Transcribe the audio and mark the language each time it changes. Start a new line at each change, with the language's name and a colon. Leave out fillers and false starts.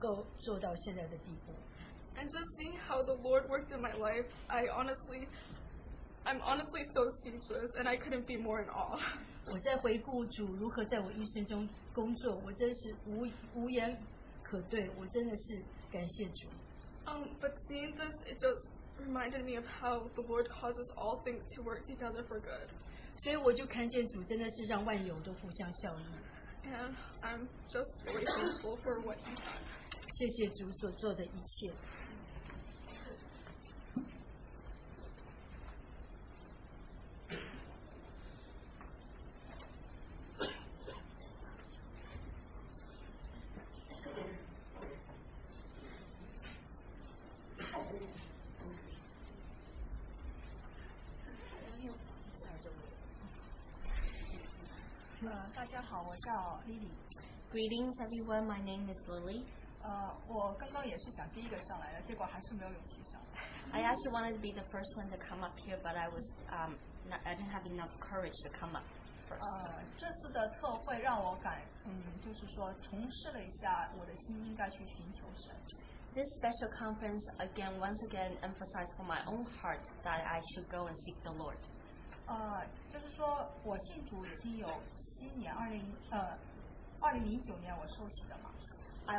Chinese: 这实际上是我一直想要做的事，我自己也没有想到我能够做到现在的地步。
English: And just seeing how the Lord worked in my life, I'm honestly so speechless, and I couldn't be more in awe.
Chinese: 我在回顾主如何在我一生中工作，我真是无言可对，我真的是感谢主。
English: But seeing this, it just reminded me of how the Lord causes all things to work together for good.
Chinese: 所以我就看见主真的是让万有都互相效力。
English: And I'm just really thankful for what He done.
Chinese: 谢谢主所做的一切。
English: Greetings everyone, my name is Lily.
Chinese: 我刚刚也是想第一个上来的，结果还是没有勇气上来。
English: I actually wanted to be the first one to come up here, but I didn't have enough courage to come up first.
Chinese: 这次的特会让我重视了一下我的心应该去寻求神。
English: This special conference again, once again, emphasized for my own heart that I should go and seek the Lord.
Chinese: 就是说我信主已经有七年，二零零九年我受洗的嘛。
English: I